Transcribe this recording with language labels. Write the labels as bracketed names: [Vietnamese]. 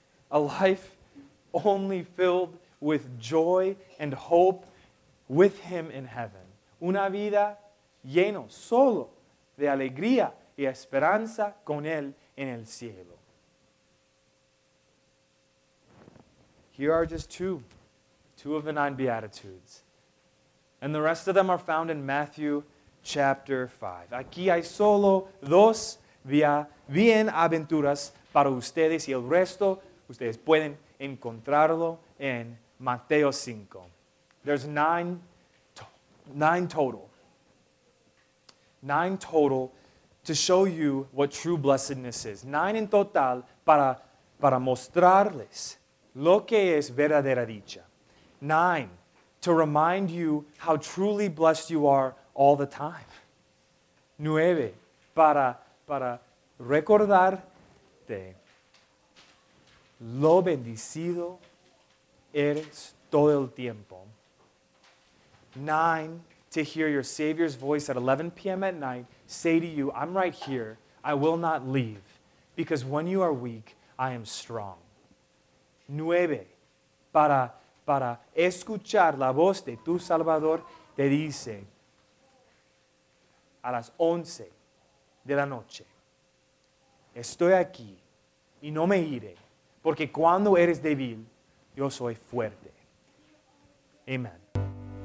[English] A life only filled with joy and hope with him in heaven. [Spanish] Una vida lleno solo de alegría y esperanza con él en el cielo. [English] Here are just two of the 9 Beatitudes. And the rest of them are found in Matthew chapter 5. [Spanish] Aquí hay solo dos bienaventuras para ustedes y el resto ustedes pueden encontrarlo en Mateo 5. [English] There's nine total to show you what true blessedness is. [Spanish] 9 en total para mostrarles lo que es verdadera dicha. [English] 9 to remind you how truly blessed you are all the time. [Spanish] 9 para recordarte lo bendecido eres todo el tiempo. [English] 9 to hear your Savior's voice at 11 p.m. at night say to you, I'm right here, I will not leave, because when you are weak, I am strong. [Spanish] 9 para escuchar la voz de tu Salvador te dice a las 11 de la noche, estoy aquí y no me iré, porque cuando eres débil, yo soy fuerte. Amen.